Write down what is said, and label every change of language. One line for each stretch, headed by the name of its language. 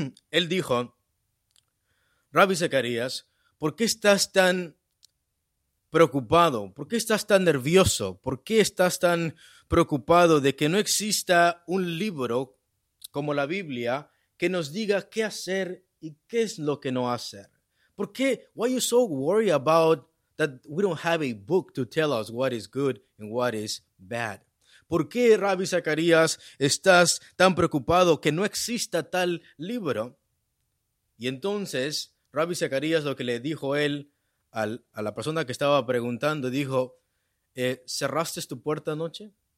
Spanish: Él dijo, Ravi Zacharias, ¿por qué estás tan preocupado? ¿Por qué estás tan nervioso? ¿Por qué estás tan preocupado de que no exista un libro como la Biblia que nos diga qué hacer y qué es lo que no hacer? ¿Por qué?
English: Why are you so worried about that we don't have a book to tell us what is good and what is bad?
Spanish: ¿Por qué, Rabbi Zacarías, estás tan preocupado que no exista tal libro? Y entonces, Rabbi Zacarías, lo que le dijo él a la persona que estaba preguntando, dijo, ¿cerraste tu puerta anoche?